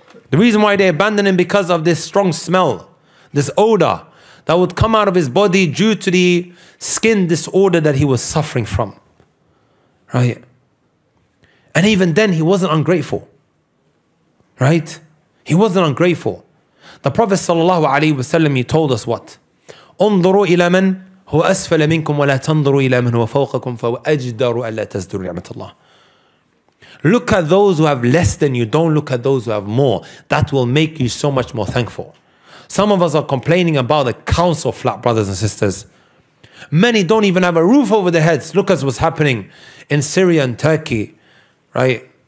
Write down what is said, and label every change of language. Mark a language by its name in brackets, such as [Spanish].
[English] The reason why they abandoned him, because of this strong smell, this odor that would come out of his body due to the skin disorder that he was suffering from. Right? And even then, he wasn't ungrateful. Right? He wasn't ungrateful. The Prophet sallallahu alaihi wasallam, he told us what? [Arabic] انظروا إلى من هو أسفل منكم ولا تنظروا إلى من هو فوقكم فأجدروا ألا تزدروا نعمة الله. [English] Look at those who have less than you. Don't look at those who have more. That will make you so much more thankful. Some of us are complaining about a council flat, brothers and sisters. Many don't even have a roof over their heads. Look at what's happening in Syria and Turkey. Right?